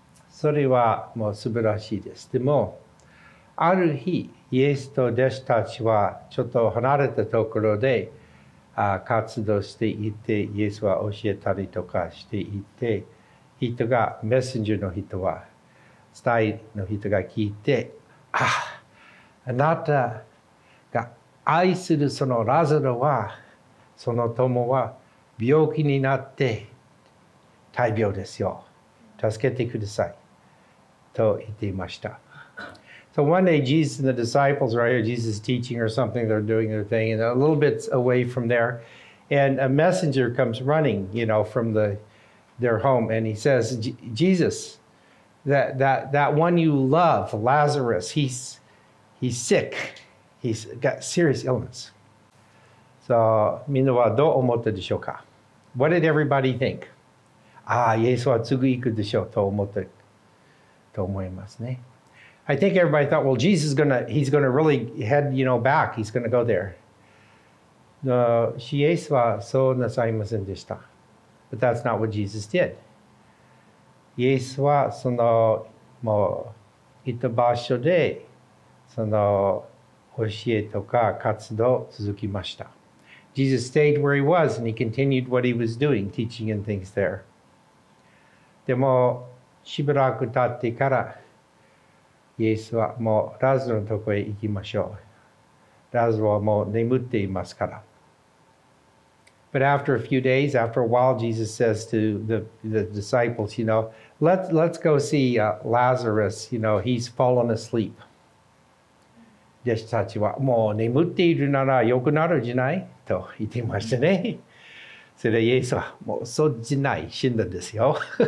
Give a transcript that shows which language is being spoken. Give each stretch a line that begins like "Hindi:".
Japanese: それはもう素晴らしいです。でも、ある日、イエスと弟子たちはちょっと離れたところで、活動していて、イエスは教えたりとかしていて、人がメッセンジャーの人は、伝えの人が聞いて、あなたが愛するそのラザロは、その友は病気になって大病ですよ。助けてください。と言っていました。
English: So one day Jesus and the disciples are here, Jesus is teaching or something, they're doing their thing, and a little bit away from there, and a messenger comes running, you know, from their home, and he says, Jesus, that one you love, Lazarus, he's sick. He's got serious illness.
Japanese: So, みんなはどう思ったでしょうか?
English: What did everybody think?
Japanese: ああ、イエスはすぐ行くでしょうと思ったと思いますね。
English: I think everybody thought, well, Jesus is going to, he's going to really head, you know, back. He's going to go there.
Japanese: イエスはそうなさいませんでした。
English: But that's not what Jesus did.
Japanese: イエスはそのもういた場所でその教えとか活動続きました。
English: Jesus stayed where he was and he continued what he was doing, teaching and things there.
Japanese: でもしばらく経ってからイエスはもうラズロのとこへ行きましょう。ラズロはもう眠っていますから。
English: But after a few days, after a while, Jesus says to the disciples, you know, let's go see Lazarus. You know, he's fallen asleep.
Japanese: 弟子たちはもう眠っているなら良くなるじゃないと言っていましたね。それでイエスはもうそうじゃない死んだんですよ。